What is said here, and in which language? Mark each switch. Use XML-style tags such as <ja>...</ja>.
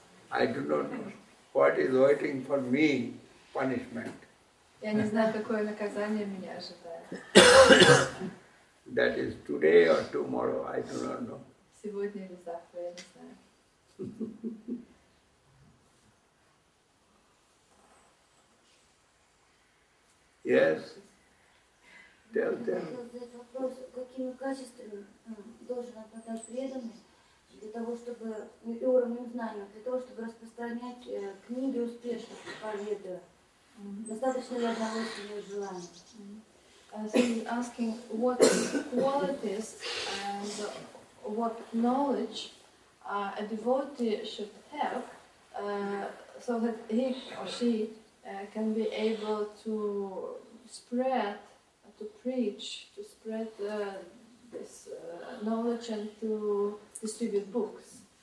<en>I do not know what is waiting for me, punishment.</en> <ru>Я не знаю, какое наказание меня ожидает.</ru> <en>That is today or tomorrow, I do not know.</en> <ru>Сегодня или завтра, я не знаю.</ru> <en>Yes. Tell them.</en> <ru>Вопрос, каким качеством должен обладать преданный для того, чтобы уровнем знания, для того, чтобы распространять книги успешно по Ведам. Достаточно ли одного своего желания?</ru> <en>So he's asking what qualities and what knowledge a devotee should have so that he or she can be able to spread, to preach, to spread this knowledge and to distribute books.</en>